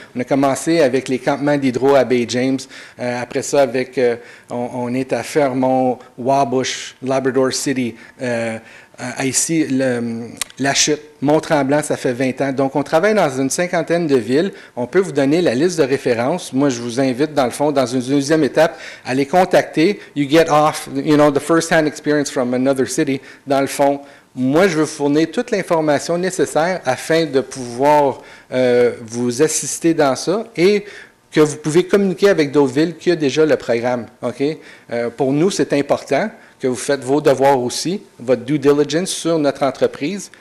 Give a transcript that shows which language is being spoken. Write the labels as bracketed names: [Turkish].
[French] On a commencé avec les campements d'hydro à Bay James. Après ça, on est à Fermont, Wabush, Labrador City. Ici, la chute, Mont-Tremblant, ça fait 20 ans. Donc, on travaille dans une cinquantaine de villes. On peut vous donner la liste de références. Moi, je vous invite, dans le fond, dans une deuxième étape, à les contacter. [English] You get off, you know, the first-hand experience from another city. [French] Dans le fond, moi, je veux fournir toute l'information nécessaire afin de pouvoir vous assister dans ça et que vous pouvez communiquer avec d'autres villes qui ont déjà le programme. OK? Pour nous, c'est important que vous faites vos devoirs aussi, votre due diligence sur notre entreprise.